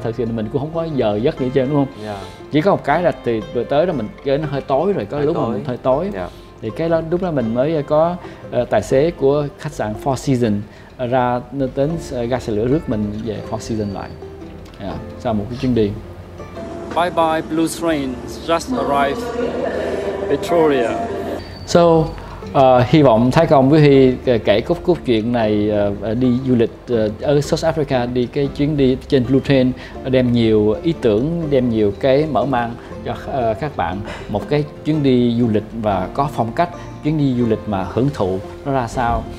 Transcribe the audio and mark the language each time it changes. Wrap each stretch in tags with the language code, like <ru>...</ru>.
<vi>Thật sự là mình cũng không có giờ giấc gì hết trơn, đúng không? Chỉ có một cái là từ vừa tới đó mình nó hơi tối rồi, có hơi lúc tối. Mình hơi tối. Thì cái đó lúc đó mình mới có tài xế của khách sạn Four Seasons ra đến ga xe lửa rước mình về Four Seasons lại. Sau một cái chuyến đi.</vi> <en>Bye bye blue train just arrived Pretoria.</en> <vi>So hy vọng Thái Công với Huy kể cốt cốt chuyện này đi du lịch ở South Africa, đi cái chuyến đi trên blue train đem nhiều ý tưởng, đem nhiều cái mở mang cho các bạn một cái chuyến đi du lịch và có phong cách chuyến đi du lịch mà hưởng thụ nó ra sao.</vi>